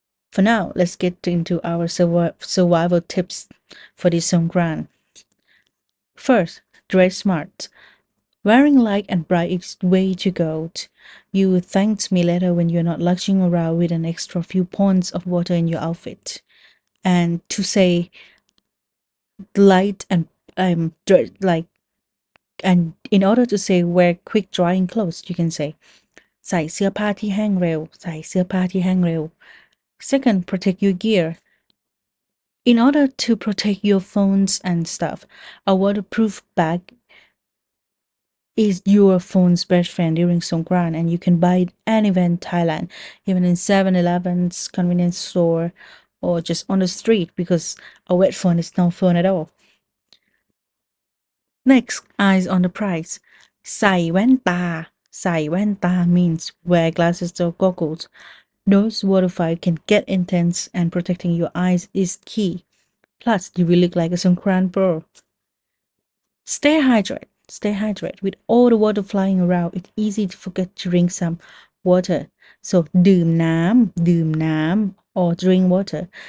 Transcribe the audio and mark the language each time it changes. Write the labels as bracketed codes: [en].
[en] For now, let's get into our survival tips for this Songkran. First, dress smart. Wearing light and bright is the way to go. You will thank me later when you're not lugging around with an extra few pounds of water in your outfit. And to say light and and in order to say wear quick drying clothes, you can say [th] ใส่เสื้อผ้าที่แห้งเร็วใส่เสื้อผ้าที่แห้งเร็ว. [en] Second, protect your gear. In order to protect your phones and stuff, a waterproof bag is your phone's best friend during Songkran, and you can buy it anywhere in Thailand, even in 7-Eleven's convenience store or just on the street, because a wet phone is no phone at all. Next, eyes on the prize. [th] ใส่แว่นตา ใส่แว่นตา [en] means wear glasses or goggles. Those water fight can get intense and protecting your eyes is key. Plus, you will look like a Songkran bro. Stay hydrated. With all the water flying around, it's easy to forget to drink some water. So, [th] ดื่มน้ำ, [en] or drink water.